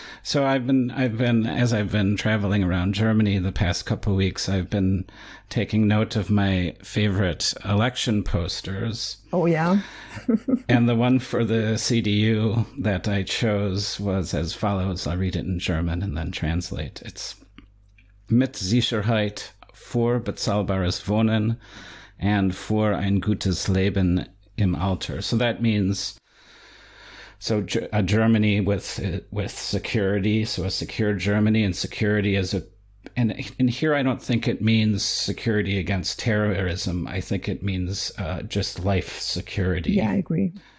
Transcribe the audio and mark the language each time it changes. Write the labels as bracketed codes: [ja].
[en] So I've been traveling around Germany the past couple of weeks, I've been taking note of my favorite election posters. Oh, yeah. And the one for the CDU that I chose was as follows. I'll read it in German and then translate. [de] It's mit Sicherheit für bezahlbares Wohnen und für ein gutes Leben im Alter. [en] So that means, so a Germany with security, so a secure Germany, and security is a, and here I don't think it means security against terrorism. I think it means just life security. Yeah, I agree.